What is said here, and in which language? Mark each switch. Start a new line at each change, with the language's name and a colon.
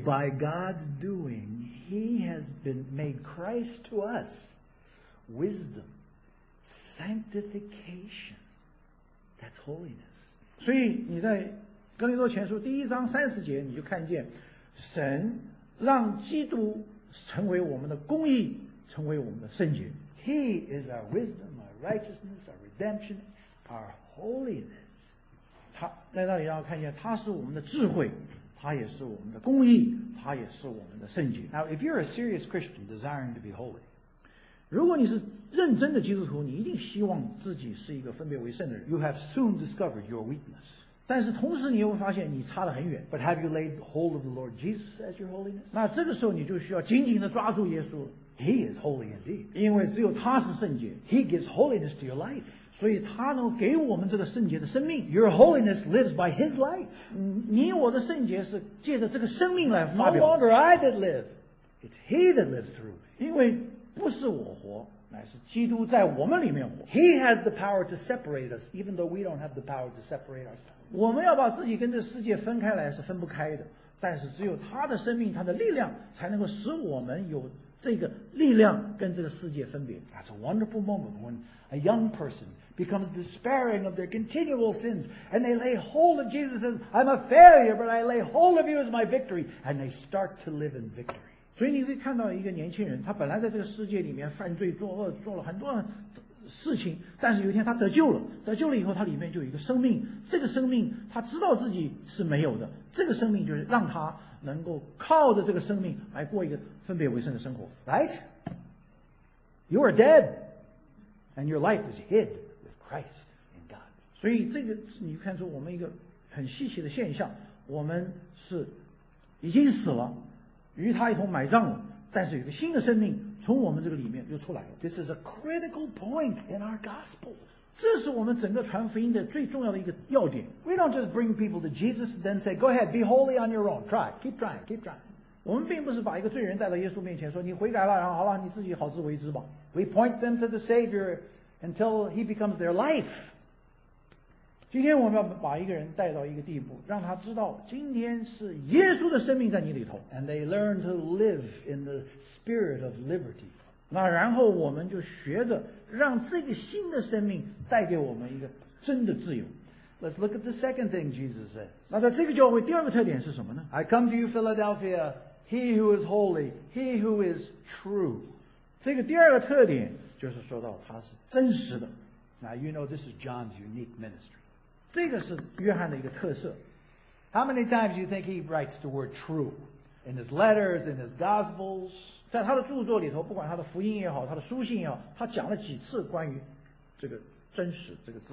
English: By God's doing, he has been made Christ to us, wisdom, sanctification. That's holiness.
Chinese: 所以你在哥林多前书第一章三十节，你就看见神让基督成为我们的公义，成为我们的圣洁。
English: He is our wisdom, our righteousness, our redemption, our holiness.
Chinese: 他在那里要看见，他是我们的智慧，他也是我们的公义，他也是我们的圣洁。
English: Now, if you're a serious Christian desiring to be holy,
Chinese: 如果你是认真的基督徒，你一定希望自己是一个分别为圣的人。
English: You have soon discovered your weakness.
Chinese: 但是同时你又发现你差得很远。
English: But have you laid hold of the Lord Jesus as your holiness?
Chinese: 那这个时候你就需要紧紧地抓住耶稣。
English: He is holy indeed.
Chinese: 因为只有他是圣洁。
English: He gives holiness to your life.
Chinese: 所以他能给我们这个圣洁的生命。
English: Your holiness lives by His life.
Chinese: 你我的圣洁是借着这个生命来发表。
English: No longer I that live, it's He that lives through me.
Chinese: 因为不是我活，乃是基督在我们里面活。
English: He has the power to separate us, even though we don't have the power to separate ourselves.
Chinese: 我们要把自己跟这世界分开来是分不开的，但是只有他的生命，他的力量才能够使我们有这个力量跟这个世界分别。
English: That's a wonderful moment when a young person. Becomes despairing of their continual sins, and they lay hold of Jesus and says, I'm a failure, but I lay hold of you as my victory, and they start to live in victory.
Chinese: 所以你会看到一个年轻人，他本来在这个世界里面犯罪作恶，做了很多事情，但是有一天他得救了，得救了以后，他里面就有一个生命，这个生命他知道自己是没有的，这个生命就是让他能够靠着这个生命来过一个分别为圣的生活。
English: Right? You are dead, and your life is hid. In God.
Chinese: 所以这个你看出我们一个很稀奇的现象，我们是已经死了，与他一同埋葬了，但是有个新的生命从我们这个里面又出来了。
English: This is a critical point in our gospel.
Chinese: 这是我们整个传福音的最重要的一个要点。
English: We don't just bring people to Jesus and then say, go ahead, be holy on your own. Try, keep trying, keep trying.
Chinese: 我们并不是把一个罪人带到耶稣面前说你悔改了，然后好了，你自己好自为之吧。
English: We point them to the Savior. Until he becomes their life.
Chinese: 今天我们要把一个人带到一个地步，让他知道今天是耶稣的生命在你里头。
English: And they learn to live in the spirit of liberty.
Chinese: 那然后我们就学着让这个新的生命带给我们一个真的自由。
English: Let's look at the second thing Jesus said.
Chinese: 那在这个教会第二个特点是什么呢？
English: I come to you, Philadelphia, he who is holy, he who is true.
Chinese: 这个第二个特点就是说到他是真实的。
English: Now you know this is John's unique ministry.
Chinese: 这个是约翰的一个特色。
English: How many times do you think he writes the word true? In his letters, in his gospels?
Chinese: 在他的著作里头，不管他的福音也好，他的书信也好，他讲了几次关于这个真实这个字。